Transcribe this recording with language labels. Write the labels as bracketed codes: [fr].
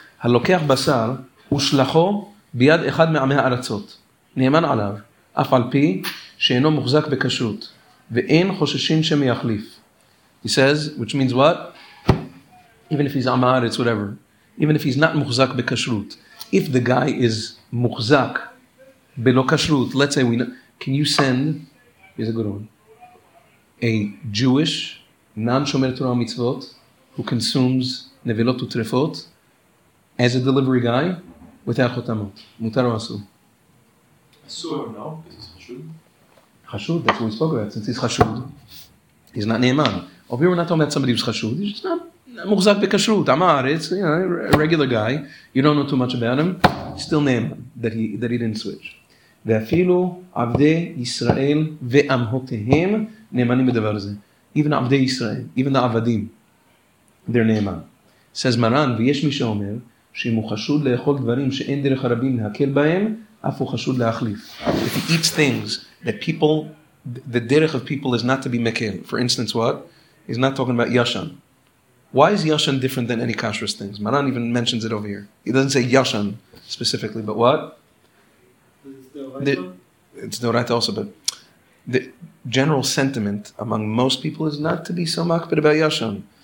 [he] הלוקח בשר ושלחו ביד אחד מעמי הארצות, נאמן עליו, אף על פי שאינו מוחזק בקשרות, ואין חוששים שמייחליף. [en] He says, which means what? Even if he's on הארץ, whatever. Even if he's not מוחזק בקשרות. If the guy is מוחזק בלא קשרות, let's say we know, can you send, here's a good one, a Jewish, non-שומר תורה מצוות, who consumes נבלות וטרפות, as a delivery guy, without chotamot. Mutar or asur? Asur, no, because he's chashud. Chashud, that's what we spoke about. Since he's chashud, he's not ne'eman. Over here, we're not talking about somebody who's chashud. He's just not muhzak bekashrut. Amar, it's, you know, a regular guy. You don't know too much about him. Still ne'eman, that he didn't switch. [he] Ve'afilu avde Yisrael ve'amhotehem ne'emanim bedavar zeh. [en] Even avde Yisrael, even the avadim, they're ne'eman. Says Maran, [he] ויש מי שאומר שאם הוא חשוד לאכול דברים שאין דרך הרבים להקל בהם, אף הוא חשוד להחליף. [en] If he eats things that people, the derech of people is not to be mekel. For instance, what? He's not talking about yashan. Why is yashan different than any kashrus things? Maran even mentions it over here. He doesn't say yashan specifically, but what? It's doraita also, but the general sentiment among most people is not to be so makbid about yashan.